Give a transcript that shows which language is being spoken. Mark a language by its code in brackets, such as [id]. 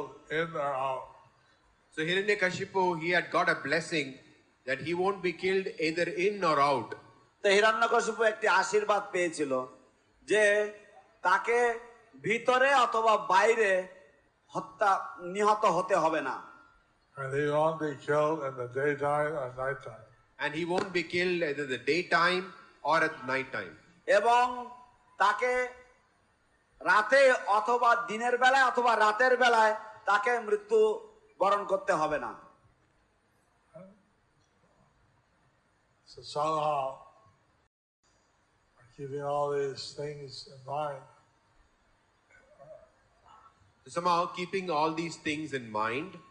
[en] So Hiranyakashipu, he had got a blessing that he won't be killed either in or out. [bn] তো হিরণ্যকশিপু একটি আশীর্বাদ পেয়েছিল যে তাকে ভিতরে অথবা বাইরে হত্যা নিহত হতে হবে না. [en] And he won't be killed in the daytime or night time. And he won't be killed either the daytime or at night time. [bn] এবং তাকে রাতে অথবা দিনের বেলায় অথবা রাতের বেলায় তাকে মৃত্যু বরণ করতে হবে না. [en] So somehow, keeping all these things in mind, somehow keeping all these things in mind,